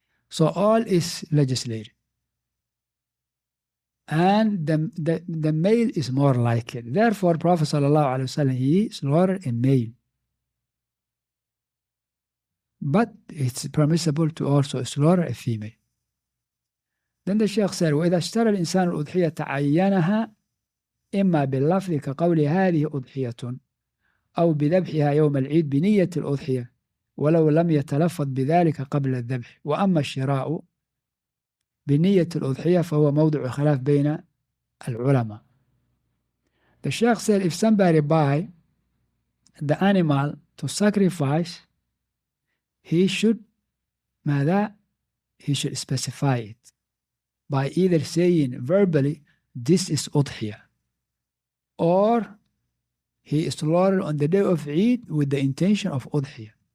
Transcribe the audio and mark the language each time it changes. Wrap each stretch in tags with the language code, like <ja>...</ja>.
<en>So all is legislated. And the male is more likely. Therefore, Prophet sallallahu alaihi wasallam, he slaughtered a male. But it's permissible to also slaughter a female. Then the Sheikh said,</en> <ar>وَإِذَا اشْتَرَى الْإِنسَانُ الْأُضْحِيَةَ تَعَيَّنَهَا إِمَّا بِاللَّفْظِ كَقَوْلِ هَذِهِ أُضْحِيَةٌ أَوْ بِذَبْحِهَا يَوْمَ الْعِيدِ بِنِيَّةِ الْأُضْحِيَةِ وَلَوْ لَمْ يَتَلَفَّظْ بِذَلِكَ قَبْلَ الذَّبْحِ وَأَمَّا الشِّرَاءُ بِنِيَّةِ الْأُضْحِيَةِ فَهُوَ مَوْضُعُ خِلَافٍ بَيْنَ الْعُلَمَاءِ.</ar> <en>The Sheikh said, if somebody buy the animal to sacrifice, he should specify it by either saying verbally, this is udhiyah, or he is slaughtered on the day of Eid with the intention of udhiyah.</en>